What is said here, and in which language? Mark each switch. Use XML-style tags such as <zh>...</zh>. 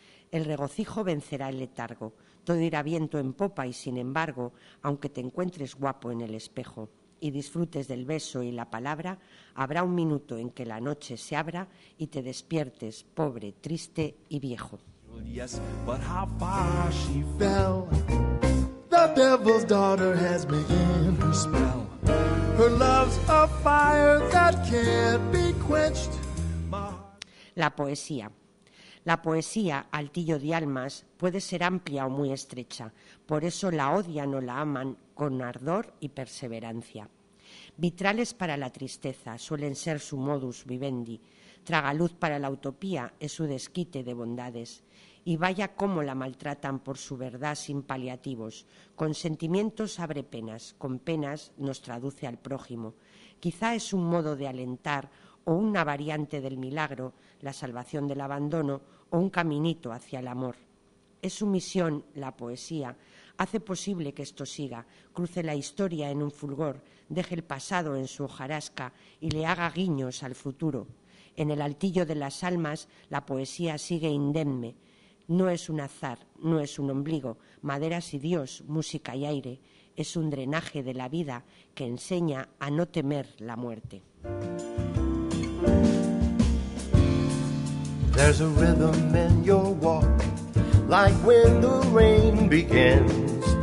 <es>El regocijo vencerá el letargo, todo irá viento en popa y sin embargo, aunque te encuentres guapo en el espejo y disfrutes del beso y la palabra, habrá un minuto en que la noche se abra y te despiertes pobre, triste y viejo.</es> <en>Yes, but how far she fell. The devil's daughter has begun her spell. Her love's a fire that can't be quenched.</en> <es>La poesía. La poesía, altillo de almas, puede ser amplia o muy estrecha. Por eso la odian o la aman con ardor y perseverancia. Vitrales para la tristeza suelen ser su modus vivendi. Tragaluz para la utopía es su desquite de bondades. Y vaya cómo la maltratan por su verdad sin paliativos. Con sentimientos abre penas, con penas nos traduce al prójimo. Quizá es un modo de alentar o una variante del milagro, la salvación del abandono o un caminito hacia el amor. Es su misión, la poesía, hace posible que esto siga, cruce la historia en un fulgor, deje el pasado en su hojarasca y le haga guiños al futuro. En el altillo de las almas, la poesía sigue indemne. No es un azar, no es un ombligo, maderas y Dios, música y aire. Es un drenaje de la vida que enseña a no temer la muerte.</es> <en>There's a rhythm in your walk, like when the rain begins.</en>